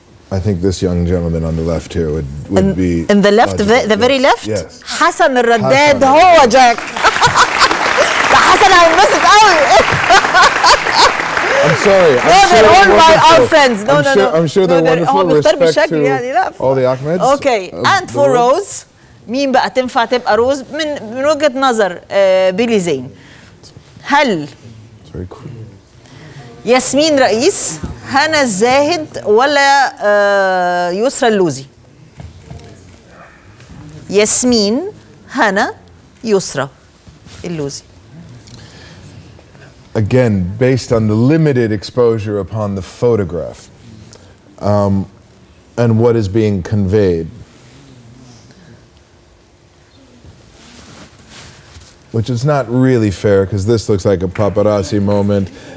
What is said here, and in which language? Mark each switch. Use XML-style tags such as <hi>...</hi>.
<en>I think this young gentleman on the left here would in, be in the left, the very left. Yes. Hassan al-Raddad,</en> <ar>هو جاك.</ar> <en>Hassan al-Masit, I'm sorry. No, they're all my friends. No, I'm no, sure, no. I'm sure they're wonderful. Respect to all the Ahmeds. Okay, and for Rose,</en> <ar>مين بقى تنفع تبقى روز من وجهة نظر بيلي زين؟ هل ياسمين رئيس، هنا الزاهد، ولا يسرى اللوزي؟ ياسمين، هنا، يسرى اللوزي.</ar> <en>Again, based on the limited exposure upon the photograph and what is being conveyed, which is not really fair because this looks like a paparazzi moment.</en>